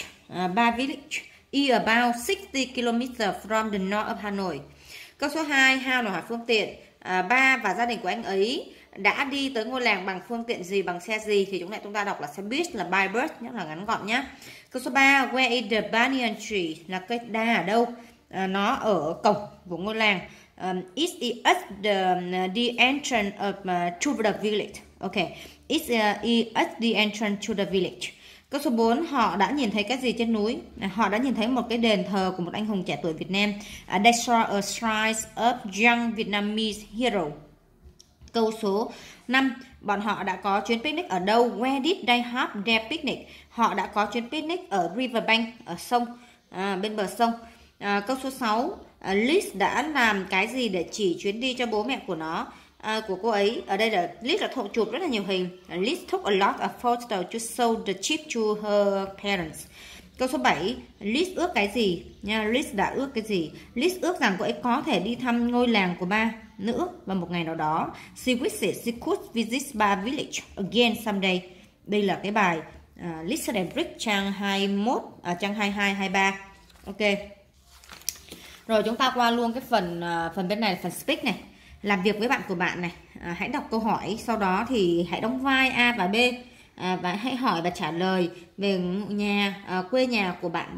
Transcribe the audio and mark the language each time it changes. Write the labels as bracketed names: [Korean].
[English] Ba village is about 60 km from the north of Hà Nội. [Vietnamese] Câu số 2, how là hỏi phương tiện. Ba và gia đình của anh ấy đã đi tới ngôi làng bằng phương tiện gì, bằng xe gì, thì chúng ta đọc là xe buýt, là by bus, nhé, là ngắn gọn nhé. Câu số 3, [English] where is the banyan tree, [Vietnamese] là cây đa ở đâu? Nó ở cổng của ngôi làng. [English] It is at the entrance to the village. Okay. It is at the entrance to the village. [Vietnamese] Câu số 4, họ đã nhìn thấy cái gì trên núi? Họ đã nhìn thấy một cái đền thờ của một anh hùng trẻ tuổi Việt Nam. [English] They saw a shrine of young Vietnamese hero. [Vietnamese] Câu số 5, bọn họ đã có chuyến picnic ở đâu? [English] Where did they have their picnic? [Vietnamese] Họ đã có chuyến picnic ở riverbank, ở sông, bên bờ sông. Câu số 6, Liz đã làm cái gì để chỉ chuyến đi cho bố mẹ của nó, của cô ấy? Ở đây là Liz đã chụp rất là nhiều hình. [English] Liz took a lot of photos to show the trip to her parents. [Vietnamese] Câu số 7, Liz ước cái gì? Liz đã ước cái gì? Liz ước rằng cô ấy có thể đi thăm ngôi làng của ba nữa vào một ngày nào đó. [English] She wishes she could visit ba village again someday. [Vietnamese] Đây là cái bài Listen and Read trang 21, trang 22, 23. Ok. Rồi chúng ta qua luôn cái phần phần bên này, phần speak này, làm việc với bạn của bạn này. Hãy đọc câu hỏi, sau đó thì hãy đóng vai A và B, và hãy hỏi và trả lời về nhà, quê nhà của bạn.